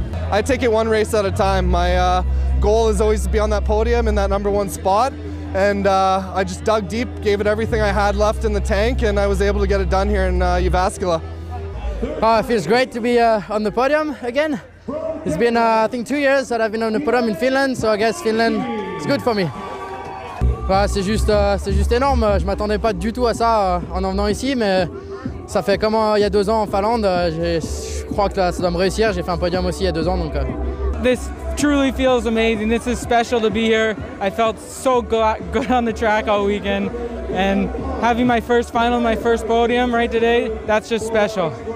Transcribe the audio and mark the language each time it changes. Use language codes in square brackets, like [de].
[en] I take it one race at a time. My goal is always to be on that podium in that number one spot, and I just dug deep, gave it everything I had left in the tank, and I was able to get it done here in Uvascula. It feels great to be on the podium again. It's been, I think, 2 years that I've been on the podium in Finland, so I guess Finland is good for me. [fr] Bah, c'est juste énorme. Je m'attendais pas du tout à ça en venant ici, mais ça fait comme il y a deux ans en Finlande. Je crois que là, ça doit me réussir. J'ai fait un podium aussi il y a deux ans, donc. [en] This truly feels amazing. This is special to be here. I felt so good on the track all weekend, and having my first final, my first podium right today, that's just special.